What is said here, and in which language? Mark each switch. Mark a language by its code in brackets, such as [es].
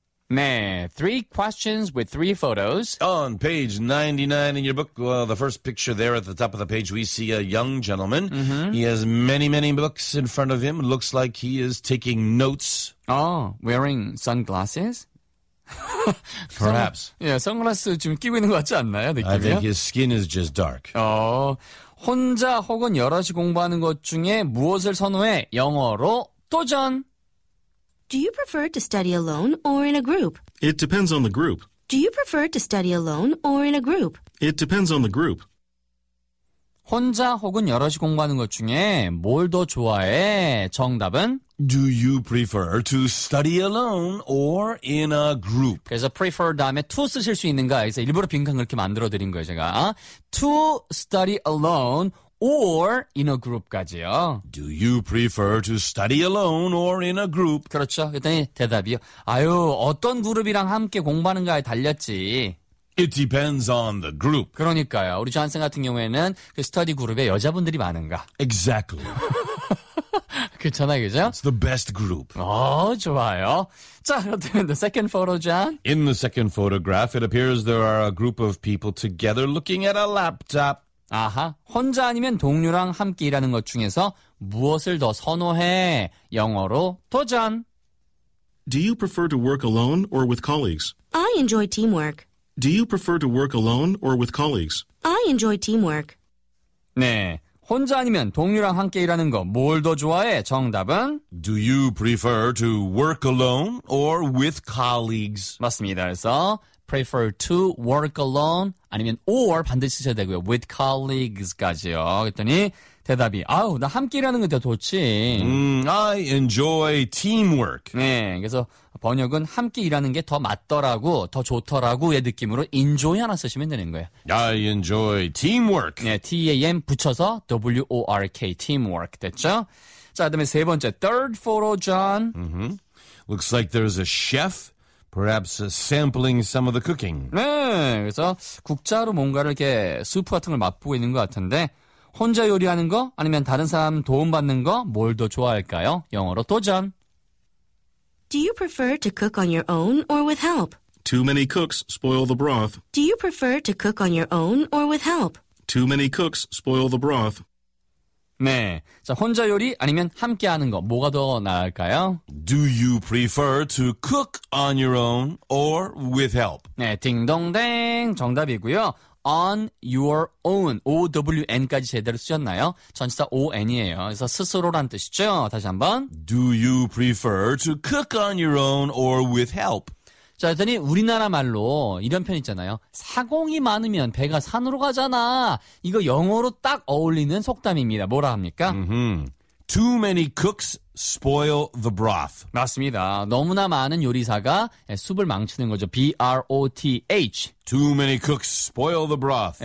[en] 네, three questions with three photos. On page 99 in your book, well, the first picture there at the top of the page, we see a young gentleman. Mm-hmm. He has many, many books in front of him. Looks like he is taking notes. Oh, wearing sunglasses? Perhaps. [ko] Yeah, 선글라스 지금 끼고 있는 것 같지 않나요, 느낌이요? [en] I think his skin is just dark. [ko] Oh, 혼자 혹은 여럿이 공부하는 것 중에 무엇을 선호해? 영어로 도전! [en] Do you prefer to study alone or in a group? It depends on the group. Do you prefer to study alone or in a group? It depends on the group. [ko] 혼자 혹은 여럿이 공부하는 것 중에 뭘 더 좋아해? 정답은? [en] Do you prefer to study alone or in a group? [ko] 그래서 prefer 다음에 to 쓰실 수 있는가? 그래서 일부러 빈칸 그렇게 만들어드린 거예요, 제가. [en] To study alone or in a group까지요. Do you prefer to study alone or in a group? [ko] 그렇죠. 그랬더니 대답이요. 아유, 어떤 그룹이랑 함께 공부하는가에 달렸지. It depends on the group. 그러니까요. 우리 존슨 같은 경우에는 그 스터디 그룹에 여자분들이 많은가. [en] Exactly. [ko] 괜찮아요, 그죠? [en] It's the best group. [ko] 오, 좋아요. 자, 그렇다면 [en] the second photo, John. In the second photograph, it appears there are a group of people together looking at a laptop. [ko] 아하, 혼자 아니면 동료랑 함께 일하는 것 중에서 무엇을 더 선호해? 영어로 도전. [en] Do you prefer to work alone or with colleagues? I enjoy teamwork. Do you prefer to work alone or with colleagues? I enjoy teamwork. [ko] 네, 혼자 아니면 동료랑 함께 일하는 거 뭘 더 좋아해? 정답은? [en] Do you prefer to work alone or with colleagues? [ko] 맞습니다. 그래서 [en] prefer to work alone [ko] 아니면 or 반드시 쓰셔야 되고요. [en] With colleagues까지요. [ko] 그랬더니 대답이 아우 나 함께 일하는 게 더 좋지. [en] I enjoy teamwork. [ko] 네, 그래서 번역은 함께 일하는 게 더 맞더라고, 더 좋더라고의 느낌으로 enjoy 하나 쓰시면 되는 거예요. [en] I enjoy teamwork. [ko] 네, T-A-M 붙여서 W-O-R-K, teamwork 됐죠? 자, 그다음에 세 번째, [en] third photo, [ko] John. Mm-hmm. [en] Looks like there's a chef. Perhaps sampling some of the cooking. [ko] 네, 그래서 국자로 뭔가를 이렇게 수프 같은 걸 맛보고 있는 것 같은데 혼자 요리하는 거 아니면 다른 사람 도움받는 거 뭘 더 좋아할까요? 영어로 도전. [en] Do you prefer to cook on your own or with help? Too many cooks spoil the broth. Do you prefer to cook on your own or with help? Too many cooks spoil the broth. [ko] 네, 자 혼자 요리 아니면 함께하는 거 뭐가 더 나을까요? [en] Do you prefer to cook on your own or with help? [ko] 네, 딩동댕 정답이고요. On your own, O-W-N까지 제대로 쓰셨나요? 전치사 O-N이에요. 그래서 스스로란 뜻이죠. 다시 한번. [en] Do you prefer to cook on your own or with help? [ko] 자, 그랬더니 우리나라 말로 이런 표현 있잖아요. 사공이 많으면 배가 산으로 가잖아. 이거 영어로 딱 어울리는 속담입니다. 뭐라 합니까? Mm-hmm. [en] Too many cooks spoil the broth. [ko] 맞습니다. 너무나 많은 요리사가 숲을 망치는 거죠. [en] B-R-O-T-H. Too many cooks spoil the broth.